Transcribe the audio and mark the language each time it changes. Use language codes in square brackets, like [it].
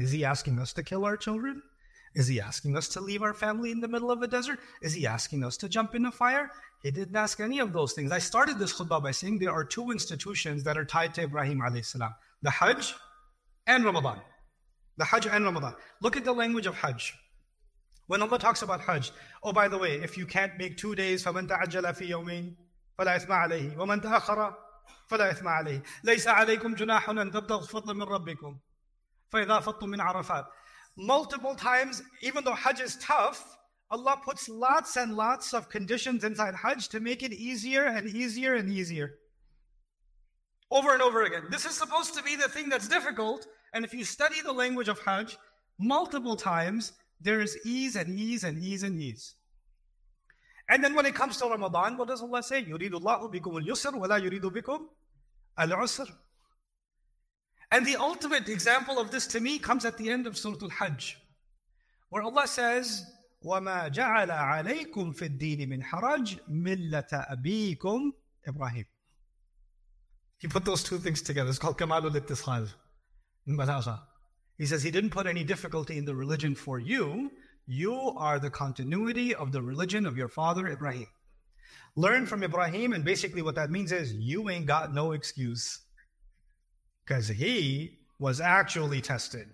[en] Is he asking us to kill our children? Is he asking us to leave our family in the middle of a desert? Is he asking us to jump in a fire? He didn't ask any of those things. I started this khutbah by saying there are two institutions that are tied to Ibrahim alayhi salam: the Hajj and Ramadan. The Hajj and Ramadan. Look at the language of Hajj. When Allah talks about Hajj, oh, by the way, if you can't make 2 days, [ar] فَمَنْ تَعَجَّلَ فِي يَوْمٍ فَلَا إِثْمَ عَلَيْهِ وَمَنْ تَأَخَّرَ فَلَا إِثْمَ عَلَيْهِ لَيْسَ عَلَيْكُمْ جُنَاحٌ أَنْ تَبْتَغُوا فَضْلًا مِنْ رَبِّكُمْ فَإِذَا فَطَرْتُمْ مِنْ عَرَفَاتٍ. [en] Multiple times, even though Hajj is tough, Allah puts lots and lots of conditions inside Hajj to make it easier and easier and easier. Over and over again. This is supposed to be the thing that's difficult. And if you study the language of Hajj, multiple times, there is ease and ease and ease and ease. And then when it comes to Ramadan, what does Allah say? [ar] يُرِيدُ اللَّهُ بِكُمُ الْيُسْرُ وَلَا يُرِيدُ بِكُمْ الْعُسْرُ. [en] And the ultimate example of this to me comes at the end of Surah Al-Hajj, where Allah says, [ar] وَمَا جَعَلَ عَلَيْكُمْ فِي الدِّينِ مِنْ حَرَجٍ مِلَّةَ أَبِيكُمْ إِبْرَاهِيمُ. [en] He put those two things together. It's called [ar] كَمَالُ الْإِتِّصَالِ مِنْ بَلَغَةً. [en] He says, he didn't put any difficulty in the religion for you. You are the continuity of the religion of your father, Ibrahim. Learn from Ibrahim. And basically what that means is, you ain't got no excuse. Because he was actually tested.